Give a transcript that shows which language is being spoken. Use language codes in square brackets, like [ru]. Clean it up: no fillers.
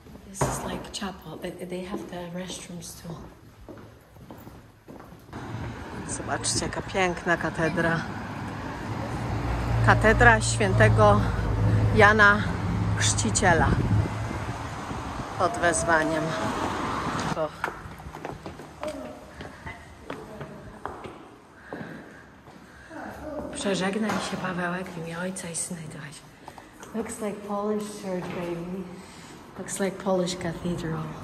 [en] This is like chapel, but they have the restrooms too. [pl] Zobaczcie, jaka piękna katedra. Katedra świętego Jana Chrzciciela pod wezwaniem. Przeżegnaj się, Pawełek, w imię Ojca i Syna i Ducha. [en] Looks like Polish church, baby. Looks like Polish cathedral.